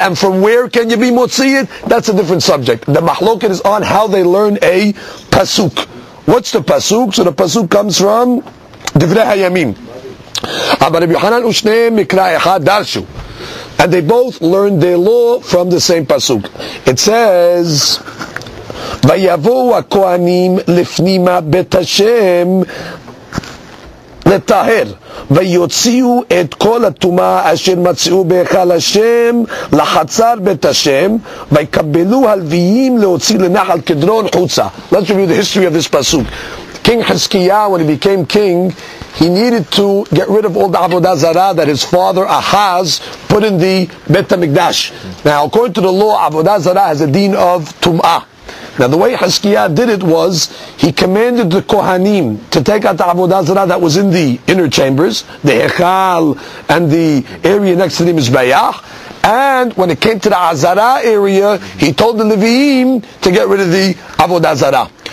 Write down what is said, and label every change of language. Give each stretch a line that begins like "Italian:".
English: And from where can you be motziyat? That's a different subject. The machloket is on how they learn a pasuk. What's the pasuk? So the pasuk comes from Divrei Hayamim.
Hebrew: Aba Rabbi Yohanan Ushne Mikra Echad Darshu.
English: And they both learned their law from the same pasuk.
Hebrew: It says, ויבואו הכהנים לפנימה בית השם לטהר ויוציאו את כל הטומאה אשר מצאו בהיכל השם לחצר בית השם ויקבלו הלוויים להוציא לנחל קדרון חוצה.
English: Let's review the history of this pasuk. King Hezekiah, when he became king, he needed to get rid of all the Avodah Zarah that his father Ahaz put in the Beit HaMikdash. Now, according to the law, Avodah Zarah has a din of Tum'ah. Now the way Hezekiah did it was, he commanded the Kohanim to take out the Avodah Zarah that was in the inner chambers, the Echal and the area next to the Mizbayah, and when it came to the Azara area, he told the Leviim to get rid of the Avodah Zarah.